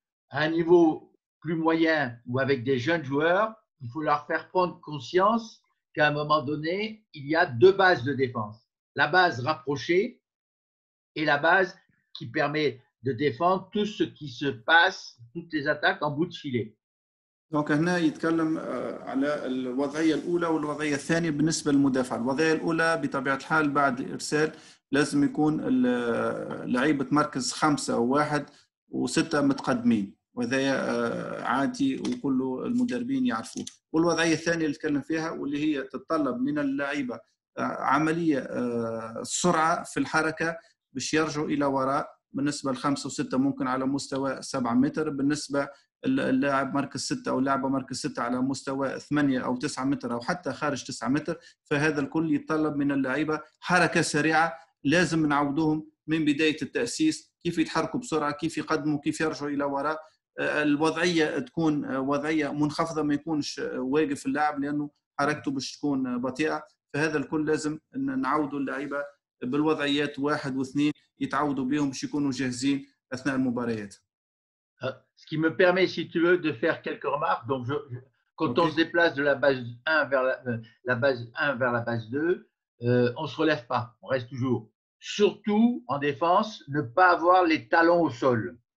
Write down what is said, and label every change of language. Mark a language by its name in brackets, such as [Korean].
[French] À un niveau plus moyen ou avec des jeunes joueurs, il faut leur faire prendre conscience qu'à un moment donné, il y a deux bases de défense. La base rapprochée et la base qui permet de défendre tout ce qui se passe, toutes les attaques en bout de filet. [Arabic] Donc, هنا يتكلم على الوضعية الأولى والوضعية الثانية بالنسبة للمدافع. الوضعية الأولى بطبيعة الحال بعد الإرسال لازم يكون لعيبة مركز خمسة وواحد وستة متقدمين. وهذا عادي وكل المدربين يعرفوه. والوضعية الثانية اللي تكلم فيها واللي هي تتطلب من اللعيبة عملية سرعة في الحركة باش يرجعوا إلى وراء بالنسبة لخمسة وستة ممكن على مستوى سبعة متر، بالنسبة اللاعب مركز ستة أو اللاعب مركز ستة على مستوى ثمانية أو تسعة متر أو حتى خارج تسعة متر، فهذا الكل يطلب من اللاعبة حركة سريعة، لازم نعودوهم من بداية التأسيس كيف يتحركوا بسرعة، كيف يقدموا، كيف يرجعوا إلى وراء، الوضعية تكون وضعية منخفضة، ما يكونش واقف اللاعب لأنه حركته باش تكون بطيئة، فهذا الكل لازم نعودوا اللاعبة بالوضعيات واحد واثنين يتعودوا بهم باش يكونوا جاهزين أثناء المباريات. [French] Ce qui me permet, si tu veux, de faire quelques remarques. Donc, quand on se déplace de la base 1 vers la base 1 vers la base 2, on ne se relève pas, on reste toujours. Surtout en défense, ne pas avoir les talons au sol.